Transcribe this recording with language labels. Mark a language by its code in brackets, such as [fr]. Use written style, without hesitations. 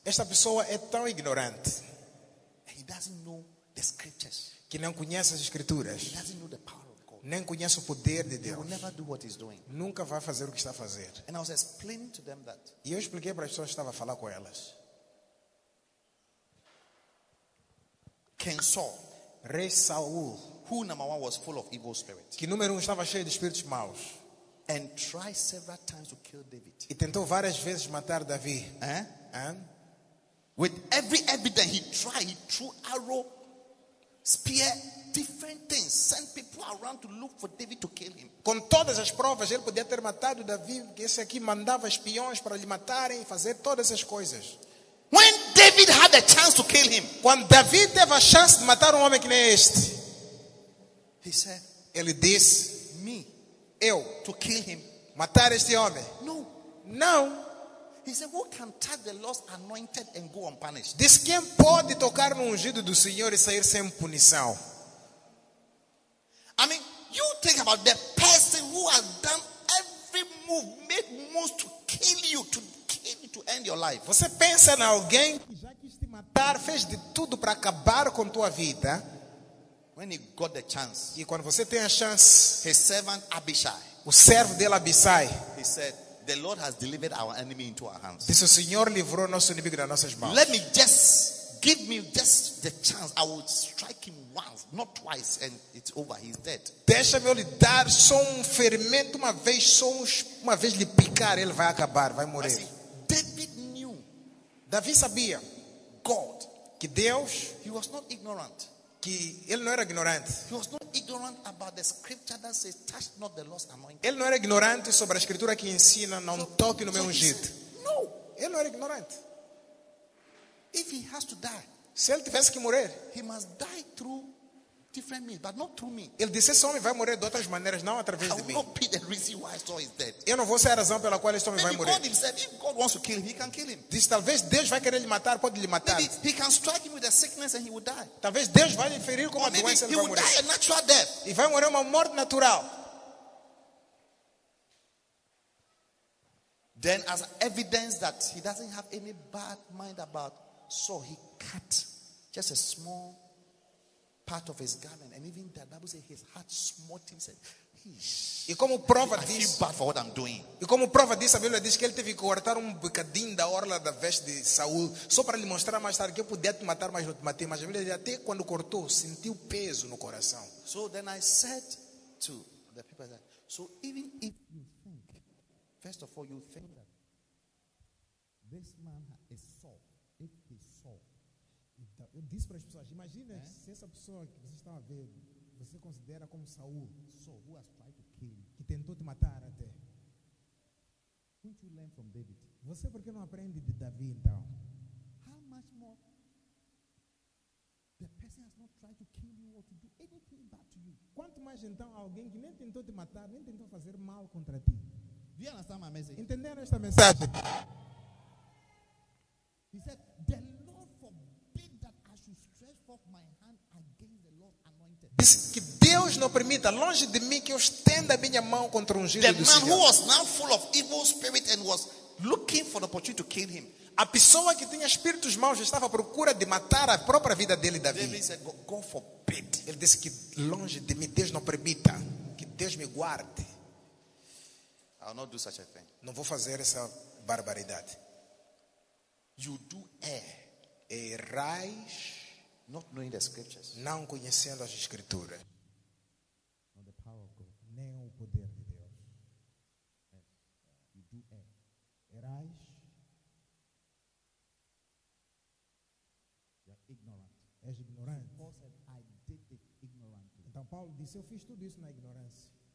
[pt] Esta pessoa é tão ignorante. [en] And he doesn't know the scriptures. [pt] Que não conhece as escrituras. [en] He doesn't know the power of God. [pt] Nem conhece o poder de Deus. [en] He will never do what he's doing. [pt] Nunca vai fazer o que está a fazer. [en] And I was explaining to them that. [pt] E eu expliquei para as pessoas que estava a falar com elas. [en] King Saul, [pt] rei Saul, [en] who number one was full of evil spirits, [pt] que número um estava cheio de espíritos maus, [en] and tried several times to kill David. [pt] E tentou várias vezes matar Davi. [en] With every evidence he tried, he threw arrow, spear, different things, sent people around to look for David to kill him. [pt] Com todas as provas ele podia ter matado Davi, que esse aqui mandava espiões para lhe matarem e fazer todas essas coisas. [en] When David had a chance to kill him, [pt] quando David teve a chance de matar homem que nem este, [en] he said, [pt] ele disse, [en] me, [pt] eu, [en] to kill him, [pt] matar este homem. [en] No, [pt] não. [en] He said, who can touch the Lord's anointed and go unpunished? [pt] Diz, quem pode tocar no ungido do Senhor e sair sem punição? [en] I mean, you think about the person who has done every move, made moves to kill you, to end your life. [pt] Você pensa em alguém que já quis te matar, fez de tudo para acabar com tua vida. [en] When he got the chance, [pt] e quando você tem a chance, [en] his servant Abishai, [pt] o servo dele Abishai, [en] he said, the Lord has delivered our enemy into our hands. [pt] Disse, o Senhor livrou nosso inimigo das nossas mãos. [en] Let me just give me just the chance. I will strike him once, not twice, and it's over. He's dead. [pt] Deixa-me lhe dar só um ferimento uma vez, só uma vez lhe picar, ele vai acabar, vai morrer. [en] David knew. [pt] Davi sabia. [en] God. [pt] Que Deus. [en] He was not ignorant. [pt] Que ele não era ignorante. [en] He was not ignorant about the scripture that says, touch not the Lord's anointing. [pt] Ele não era ignorante sobre a escritura que ensina, não toque no meu ungido. [en] No. [pt] Ele não era ignorante. [en] If he has to die. [pt] Se ele tivesse que morrer. [en] He must die through different means, but not through me. [pt] Ele disse, esse homem vai morrer de outras maneiras, não através de mim. [en] Not be the reason why Saul is dead. [pt] Eu não vou ser a razão pela qual esse homem [en] maybe [pt] vai morrer. [en] God himself, if God wants to kill him, he can kill him. [pt] Diz, talvez Deus vai querer lhe matar, pode lhe matar. [en] Maybe he can strike him with a sickness and he will die. [pt] Talvez Deus vai lhe ferir com [en] or [pt] uma doença e ele [en] he [pt] vai morrer. [en] Die a natural death. [pt] E vai morrer uma morte natural. [en] Then as evidence that he doesn't have any bad mind about Saul, he cut just a small part of his garment, and even the Bible says his heart smote him. Said, [pt] e como prova disso, [en] I feel bad for what I'm doing. [pt] E como prova disso, a Bíblia diz que ele teve que cortar bocadinho da orla da veste de Saul, só para lhe mostrar mais tarde que eu podia te matar, mas não te matei. Mas a Bíblia diz, até quando cortou, sentiu peso no coração. [en] So then I said to the people, that, so even if you think First of all, you think that this man is Saul. If he's Saul, [pt] diz para as pessoas, imagina se essa pessoa que você está a ver, você considera como Saul, [en] who has tried to kill, [pt] que tentou te matar até. [en] Couldn't you learn from David? [pt] Você por que não aprende de Davi então? [en] How much more the person has not tried to kill you or to do anything bad to you? [pt] Quanto mais então alguém que nem tentou te matar, nem tentou fazer mal contra ti? Entenderam esta mensagem? [en] He said, "The Lord forbid that I should stretch forth my hand against the Lord's anointed." [pt] Diz que Deus não permita, longe de mim, que eu estenda a minha mão contra o ungido do Senhor. [en] The man who was now full of evil spirit and was looking for the opportunity to kill him. [pt] A pessoa que tinha espíritos maus estava à procura de matar a própria vida dele, Davi. [en] David said, "God forbid." [pt] Ele disse que longe de mim, Deus não permita, que Deus me guarde. [en] I will not do such a thing. [pt] Não vou fazer essa barbaridade. [en] You do [pt] errais, [en] not knowing the scriptures, [pt] não conhecendo as escrituras. [en] Not the power of God, [pt] nem o poder de Deus. [en] Yes. You do errais. You are ignorant. [pt] És ignorante. [en] Paul said, "I did it ignorantly." [pt] Então Paulo disse, eu fiz tudo isso na ignorância.